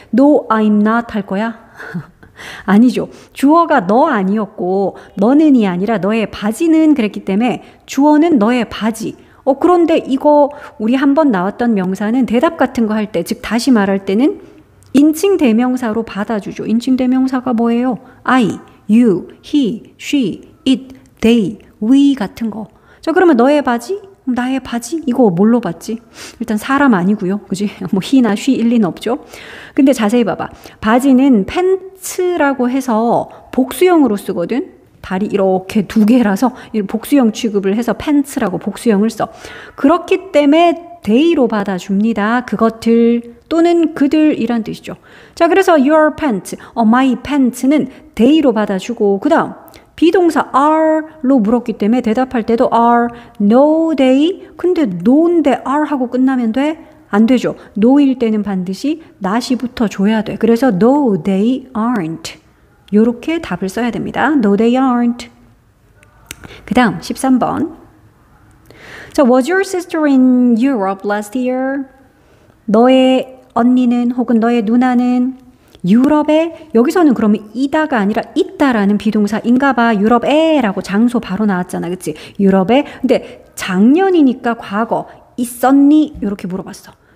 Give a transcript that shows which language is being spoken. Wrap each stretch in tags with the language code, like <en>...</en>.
<en>No, I'm not</en> <ko>할 거야? 아니죠. 주어가 너 아니었고 너는이 아니라 너의 바지는 그랬기 때문에 주어는 너의 바지. 그런데 이거 우리 한번 나왔던 명사는 대답 같은 거 할 때, 즉 다시 말할 때는 인칭 대명사로 받아주죠. 인칭 대명사가 뭐예요?</ko> <en>I, you, he, she, it, they, we 같은 거.</en> <ko>자, 그러면 너의 바지? 나의 바지? 이거 뭘로 봤지? 일단 사람 아니고요. 그지? 뭐 he나 she 일리는 없죠. 근데 자세히 봐봐. 바지는 팬츠라고 해서 복수형으로 쓰거든. 다리 이렇게 두 개라서 복수형 취급을 해서 팬츠라고 복수형을 써. 그렇기 때문에 they로 받아줍니다. 그것들 또는 그들이란 뜻이죠. 자, 그래서</ko> <en>your pants, my pants</en> <ko>는 they로 받아주고, 그 다음 비동사 are로 물었기 때문에 대답할 때도 are,</ko> <en>no, they,</en> <ko>근데 no인데 are 하고 끝나면 돼? 안 되죠. no일 때는 반드시 not이부터 줘야 돼. 그래서</ko> <en>no, they aren't.</en> <ko>요렇게 답을 써야 됩니다.</ko> <en>No, they aren't.</en> <ko>그 다음 13번.</ko> <en>So, was your sister in Europe last year?</en> <ko>너의 언니는 혹은 너의 누나는 유럽에, 여기서는 그러면 이다가 아니라 있다라는 비동사인가 봐. 유럽에 라고 장소 바로 나왔잖아. 그치? 유럽에. 근데 작년이니까 과거 있었니? 이렇게 물어봤어.</ko>